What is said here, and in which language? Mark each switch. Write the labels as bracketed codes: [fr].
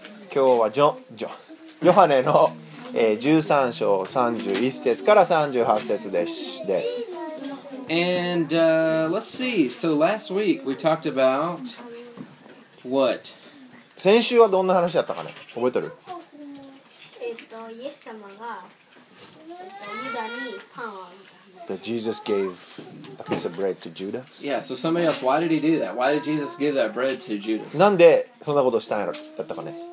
[ja] 今日はヨハネの13章31節から38節です。 [en] And let's see. So last week we talked about what? [ja] 先週はどんな話だったかね。覚えてる？イエス様がユダにパンをあげた。 [en] That Jesus gave a piece of bread to Judas? Yeah, so somebody else, why did he do that? Why did Jesus give that bread to Judas? [ja] なんでそんなことしたんだったかね。